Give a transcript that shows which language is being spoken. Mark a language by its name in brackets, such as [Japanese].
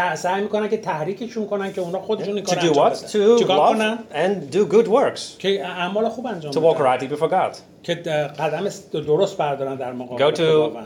[Persian] سعی میکنن که تحریکشون کنن که اونا خودشون کارا انجام بدن. [English] To love and do good works. [Persian] که اعمال خوب انجام بدن. [English] To walk rightly before God. [Persian] که قدم درست بردارن در مقابل خداوند.